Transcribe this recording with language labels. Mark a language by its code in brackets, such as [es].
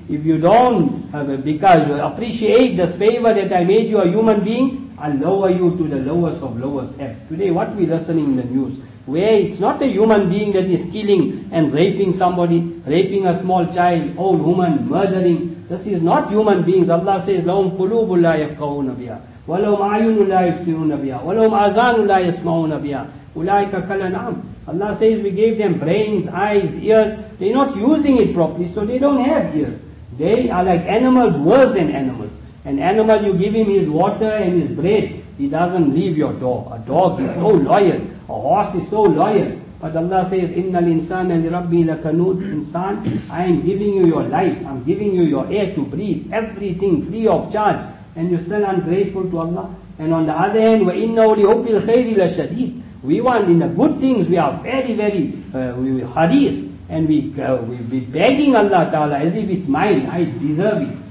[en] If you don't because you appreciate this favor that I made you a human being, I'll lower you to the lowest of lowest depths. Today what we listening in the news? Where it's not a human being that is killing and raping somebody, raping a small child, old woman, murdering, This is not human beings. [ar] Allah says, لَهُمْ قُلُوبٌ لَا يَفْقَهُونَ بِهَا وَلَهُمْ أَعْيُنٌ لَا يُبْصِرُونَ بِهَا وَلَهُمْ أَذَانٌ لَا يَسْمَعُونَ بِهَا أُولَٰئِكَ كَالْأَنْعَامِ. [en] Allah says, we gave them brains, eyes, ears. They're not using it properly, so they don't have ears. They are like animals, worse than animals. An animal, you give him his water and his bread, he doesn't leave your door. A dog is so loyal. A horse is so loyal. [ar] But Allah says, إِنَّ الْإِنسَانَ لِرَبِّهِ لَكَنُودٌ. [en] Insan, I am giving you your life. I'm giving you your air to breathe. Everything free of charge. And you're still ungrateful to Allah. And on the other hand, [ar] وَإِنَّهُ لِحُبِّ الْخَيْرِ لَشَدِيدٌ. [en] We want in the good things, we are very, very hadith, and we begging Allah Ta'ala as if it's mine, I deserve it.